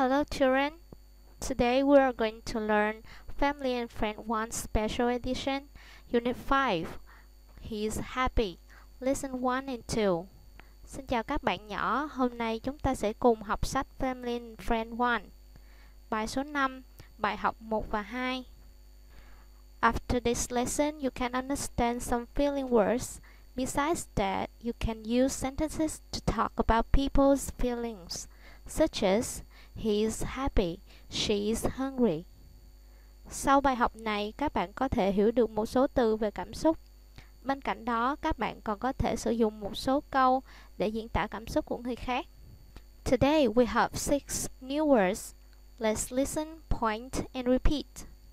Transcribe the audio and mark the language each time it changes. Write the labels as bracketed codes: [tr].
[en] children, today we are going to learn Family and Friend 1 Special Edition, Unit 5, He's Happy, Lesson 1 and 2. [vi] Xin chào các bạn nhỏ, hôm nay chúng ta sẽ cùng học sách Family and Friend 1, bài số 5, bài học 1 và 2. [en] After this lesson, you can understand some feeling words. Besides that, you can use sentences to talk about people's feelings, such as he is happy, she is hungry. [vi] Sau bài học này, các bạn có thể hiểu được một số từ về cảm xúc. Bên cạnh đó, các bạn còn có thể sử dụng một số câu để diễn tả cảm xúc của người khác. [en] Today, we have 6 new words. Let's listen, point and repeat.